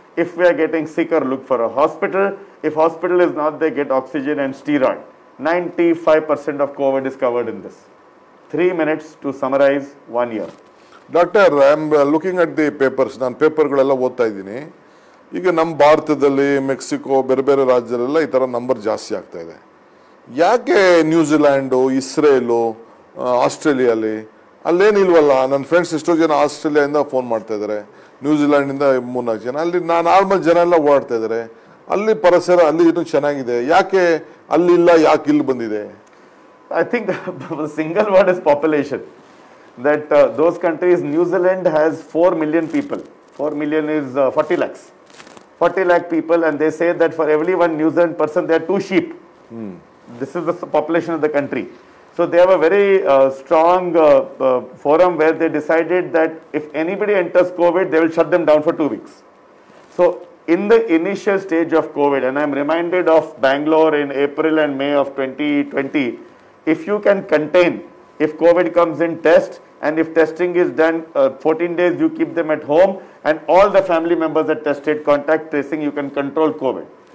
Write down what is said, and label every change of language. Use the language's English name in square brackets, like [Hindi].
[English] If we are getting sicker, look for a hospital. If hospital is not there, get oxygen and steroid. 95% of COVID is covered in this. 3 minutes to summarize 1 year. Doctor, I am looking at the papers. I am reading all the papers. In Bharat, Mexico, Berbera Rajyalu, all these numbers are getting higher. [Kannada] ಯಾಕೆ New Zealand, Israel, ಆಸ್ಟ್ರೇಲಿಯಲ್ಲಿ ಅಲ್ಲೇನಿಲ್ವಲ್ಲ? ನನ್ನ friends ಎಷ್ಟೋ ಜನ ಆಸ್ಟ್ರೇಲಿಯಾದಿಂದ phone ಮಾಡ್ತಾ ಇದ್ದಾರೆ, ನ್ಯೂಜಿಲ್ಯಾಂಡಿಂದ 3-4 ಜನ ಅಲ್ಲಿ normal ಜನ ಎಲ್ಲ ಓಡಾಡ್ತಾ ಇದ್ದಾರೆ. ಅಲ್ಲಿ ಪರಿಸರ ಅಲ್ಲಿ ಇನ್ನೂ ಚೆನ್ನಾಗಿದೆ, ಯಾಕೆ ಅಲ್ಲಿ ಇಲ್ಲ, ಯಾಕೆ ಇಲ್ಲಿ ಬಂದಿದೆ? [English] I think single word is population. That those countries, New Zealand has 4 million people. 4 million is 40 lakhs. 40 lakh people, and they say that for every one New Zealand person they are 2 sheep. This is the population of the country. So they have a very strong forum where they decided that if anybody enters COVID, they will shut them down for 2 weeks. So in the initial stage of COVID, and I'm reminded of Bangalore in April and May of 2020, if you can contain, if COVID comes in, test, and if testing is done 14 days, you keep them at home, and all the family members are tested, contact tracing, you can control COVID.